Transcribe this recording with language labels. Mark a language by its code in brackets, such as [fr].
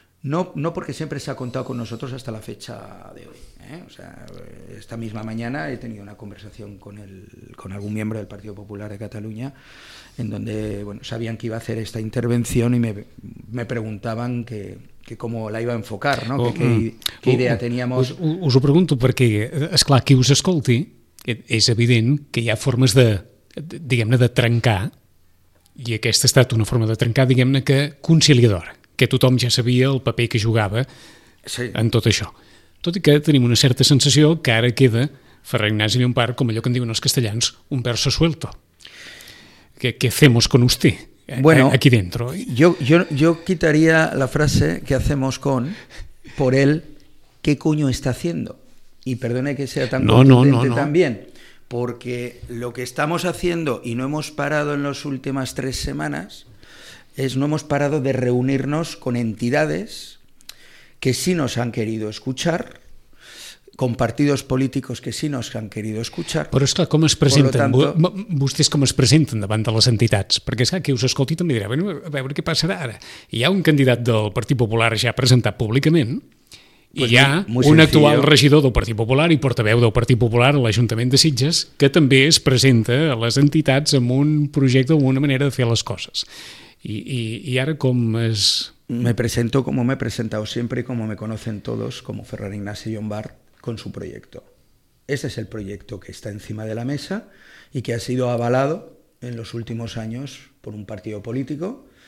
[es] No, porque siempre se ha contado con nosotros hasta la fecha de hoy. Esta misma mañana he tenido una conversación con algún miembro del Partido Popular de Cataluña en donde sabían que iba a hacer esta intervención y me preguntaban que cómo la iba a enfocar, ¿no? Qué idea teníamos. [ca] Us ho pregunto perquè, esclar, qui us escolti, és evident que hi ha formes de, diguem-ne, de trencar, i aquesta ha estat una forma de trencar, diguem-ne, que conciliadora, que tothom ja sabia el paper que jugava en tot això. Tot i que tenim una certa sensació que ara queda Ferran Ignasi Llompart, com allò que en diuen els castellans, [es] un verso suelto. ¿Qué hacemos con usted aquí dentro? Yo quitaría la frase ¿qué hacemos con? Por él, ¿qué coño está haciendo? Y perdone que sea tan contundente también. porque lo que estamos haciendo y no hemos parado en las últimas tres semanas es no hemos parado de reunirnos con entidades que sí nos han querido escuchar, con partidos políticos que sí nos han querido escuchar. [ca] Però és clar, com es presenten? Tanto, vostès com es presenten davant de les entitats? Perquè és clar, qui us escolti també dirà, bueno, a veure què passarà ara. Hi ha un candidat del Partit Popular ja presentat públicament, pues i hi ha un sencillo, actual regidor del Partit Popular i portaveu del Partit Popular a l'Ajuntament de Sitges, que també es presenta a les entitats amb un projecte, amb una manera de fer les coses. I ara com es... [es] Me presento como me he presentado siempre, como me conocen todos, como Ferran Ignasi Llombart, con su proyecto. Ese es el proyecto que está encima de la mesa y que ha sido avalado en los últimos años por un partido político.